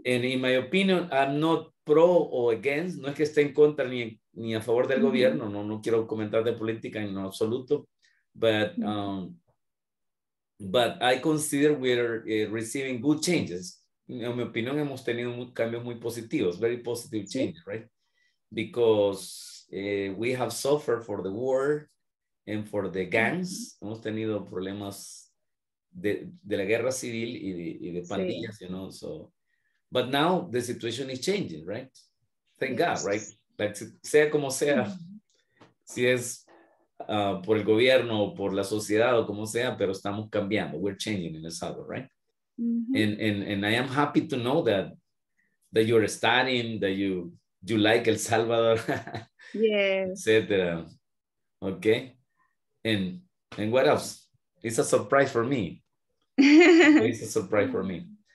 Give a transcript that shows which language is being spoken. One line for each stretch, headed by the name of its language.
English: And in my opinion, I'm not pro or against.
Spanish: No es que esté en contra ni a favor del gobierno. No, no quiero comentar de política en absoluto.
English: But but I consider we're receiving good changes.
Spanish: En mi opinión, hemos tenido cambios muy positivos,
English: very positive change, right? Because we have suffered for the war and for the gangs. Mm-hmm.
Spanish: Hemos tenido problemas de la guerra civil y de pandillas,
English: you know. So, but now the situation is changing, right? Thank God, right?
Spanish: Like, sea como sea, si es por el gobierno o por la sociedad o como sea, pero estamos cambiando.
English: We're changing in El Salvador, right? Mm-hmm. And I am happy to know that you're studying, that you like El Salvador. Yes. Etc. Okay. And what else? It's a surprise for me. It's a surprise for me.